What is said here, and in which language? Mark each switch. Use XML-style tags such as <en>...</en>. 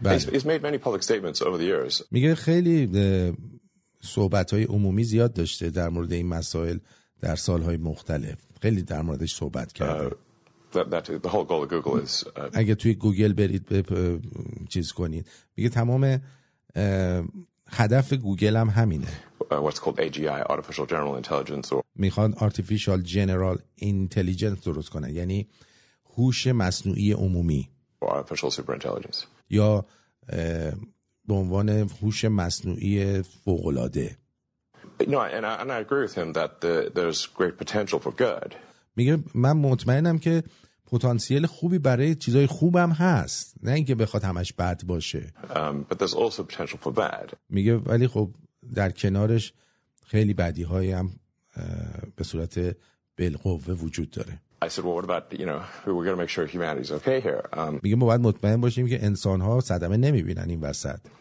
<en>He's made many public statements over the years.</en> <fa>میگه خیلی صحبت‌های عمومی زیاد داشته در مورد این مسائل در سال‌های مختلف. خیلی در موردش صحبت کرده.</fa> <en>That the whole goal of Google is.</en> <fa>اگه توی گوگل برید چیز کنید، میگه تمام هدف گوگل هم همینه.</fa> <en>What's called AGI, artificial general intelligence.</en> <fa>میخوان</fa> <en>artificial general intelligence</en> <fa>درست کنن، یعنی هوش مصنوعی عمومی</fa> <en>artificial super intelligence،</en> <fa>یا به عنوان هوش مصنوعی فوق العاده.</fa> <en>No, and I agree with him that there's great potential for good.</en> <fa>میگه من مطمئنم که پتانسیل خوبی برای چیزای خوبم هست، نه اینکه بخواد همش بد باشه.</fa> <en>But there's also potential for bad.</en> <fa>میگه ولی خب در کنارش خیلی بدی های هم به صورت بالقوه وجود داره.</fa> <en>I said, well, what about, you know, we're going to make sure humanity's okay here.</en> <fa>میگه ما باید مطمئن باشیم که انسان ها صدمه نمیبینن این وسط.</fa>